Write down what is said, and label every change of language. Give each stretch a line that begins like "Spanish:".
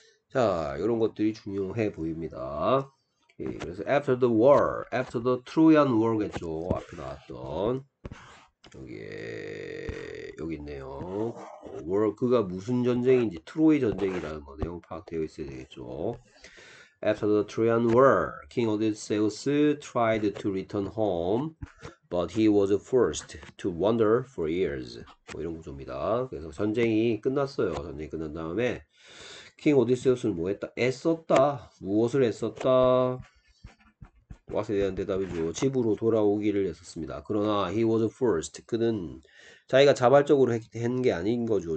Korean: 자, 이런 것들이 중요해 보입니다. 오케이. 그래서
English: after the war, after the Trojan War겠죠.
Korean: 앞에 나왔던 여기 있네요. 워크가 무슨 전쟁인지 트로이 전쟁이라는 거 내용 파악되어 있어야 되겠죠.
English: After the Trojan War, King Odysseus tried to return home, but he was forced to wander for years.
Korean: 뭐 이런 구조입니다. 그래서 전쟁이 끝났어요. 전쟁이 끝난 다음에 킹 오디세우스는 뭐 했다? 애썼다. 무엇을 애썼다? 그것에 대한 대답이죠. 집으로 돌아오기를 했었습니다. 그러나
English: he was forced.
Korean: 그는 자기가 자발적으로 한게 아닌 거죠.